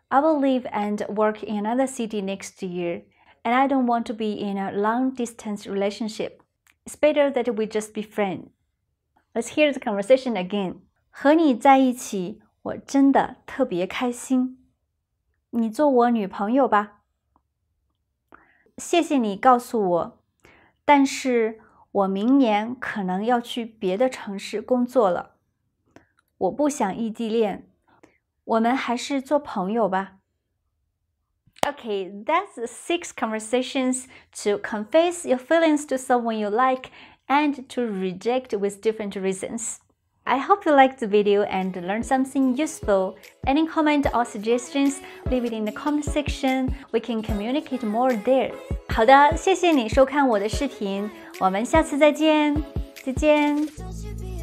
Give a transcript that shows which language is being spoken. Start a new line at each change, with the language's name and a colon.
English: I will live and work in another city next year, and I don't want to be in a long-distance relationship. It's better that we just be friends. Let's hear the conversation again.
Chinese: 和你在一起，我真的特别开心。你做我女朋友吧。谢谢你告诉我，但是我明年可能要去别的城市工作了。我不想异地恋，我们还是做朋友吧。
English: Okay, that's six conversations to confess your feelings to someone you like and to reject with different reasons. I hope you liked the video and learned something useful. Any comment or suggestions, leave it in the comment section. We can communicate more there.
Chinese: 好的，谢谢你收看我的视频，我们下次再见，再见。